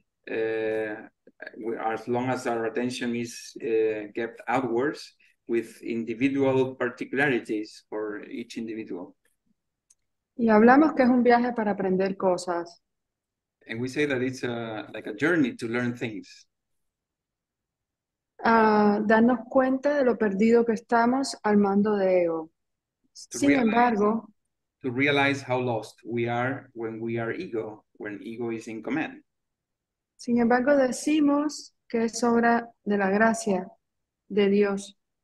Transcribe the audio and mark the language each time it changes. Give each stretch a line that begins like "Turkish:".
English: As long as our attention is kept outwards, with individual particularities for each individual.
Spanish: Y hablamos que es un viaje para aprender cosas.
English: And we say that it's a journey to learn things.
Spanish: Darnos cuenta de lo perdido que estamos al mando de ego.
English: To realize how lost we are when we are ego, when ego is in command.
Spanish: Sin embargo, decimos que es obra de la gracia de Dios.